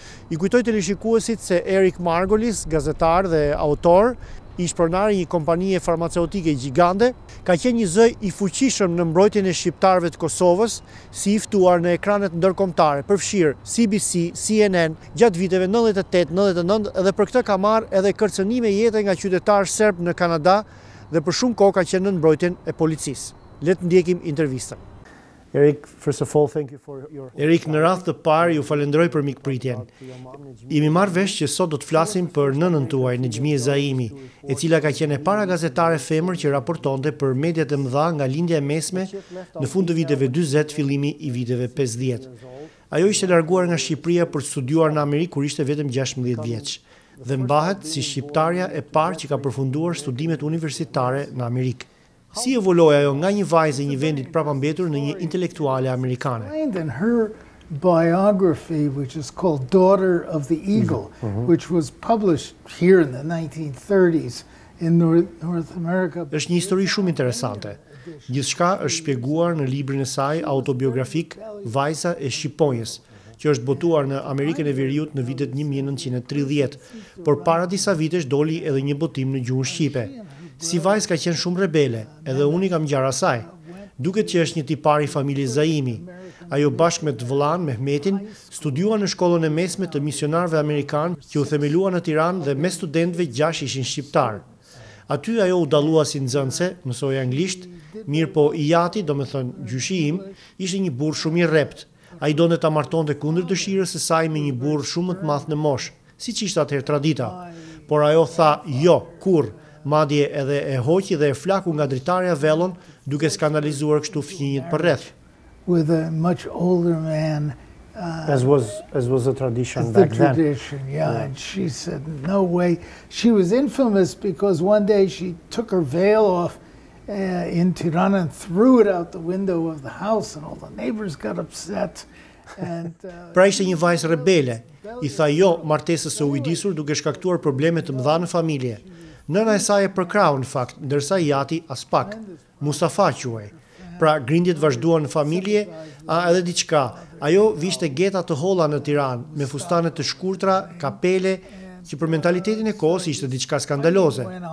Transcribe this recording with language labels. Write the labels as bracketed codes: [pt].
[sq] I kujtoj të lishikuesit se Erik Margulis, gazetar dhe autor, ish pronari një kompanie farmaceutike gjigande, ka qenë një zë i fuqishëm në mbrojtjen e shqiptarëve të Kosovës, si i ftuar në ekranet ndërkombëtare, përfshirë CBC, CNN, gjatë viteve 98-99, dhe për këtë ka marrë edhe kërcënime jete nga qytetar serb në Kanada, dhe për shumë kohë ka qenë në mbrojtjen e policisë. Le të ndjekim intervistën. [en] Erik, first of all, thank you for your [sq] Erik, në radhë të parë ju falenderoj për mikpritjen. Jemi marrë vesh që sot do të flasim për nënën tuaj, Nejmie Zaimi, e cila ka qenë para gazetare femër që raportonte për mediat e mëdha nga lindja e mesme në fund të viteve 40, fillimi i viteve 50. Ajo ishte larguar nga Shqipëria për studiuar në Amerikë kur ishte vetëm 16 vjeç dhe mbahet si shqiptarja e parë që ka përfunduar studimet universitare në Amerikë. Si evoloi ajo nga një vajzë e një vendit prapambetur në një intelektuale amerikane? [en] And her biography, which is called Daughter of the Eagle, which was published here in the 1930s in North America. [sq] Është një histori shumë interesante. Gjithçka është shpjeguar në librin e saj autobiografik Vajza e Shqiponjës, që është botuar në Amerikën e Veriut në vitet 1930, por para disa vitesh doli edhe një botim në gjuhën shqipe. Si vajzë ka qenë shumë rebele, edhe unë i kam gjarë asaj. Duket që është një tipar i familjes Zaimi. Ajo bashkë me të vëllain Mehmetin studiuan në shkollën e mesme të misionarëve amerikanë që u themelua në Tiranë dhe me studentëve 6 ishin shqiptarë. Aty ajo u dallua si nxënëse, mësoi anglisht, mirë po i jati, do me thënë gjyshi im, ishte një burë shumë i rrept. A i donë të marton të kundër dëshirës e saj me një burë shumë të madhë në moshë, si që ishte atëherë tradita. Por ajo tha, jo, kur, madje edhe e hoqi dhe e flaku nga dritarja vellon, duke skandalizuar kështu fëmijët për rreth. [en] With a much older man, as was a tradition back then. The tradition, yeah. And she said, no way. She was infamous because one day she took her veil off in Tirana and threw it out the window of the house and all the neighbors got upset. [sq] Pra ishte një vajzë rebele, i tha jo martesës së ujdisur duke shkaktuar probleme të mëdha në familje. Nëna e saj e përkrau në fakt, ndërsa jati as pak, Mustafa quaj. Pra grindjet vazhduan në familje, a edhe diçka, ajo vishte geta të holla në Tiranë, me fustane të shkurtra, kapele, që për mentalitetin e kohës ishte diçka skandaloze.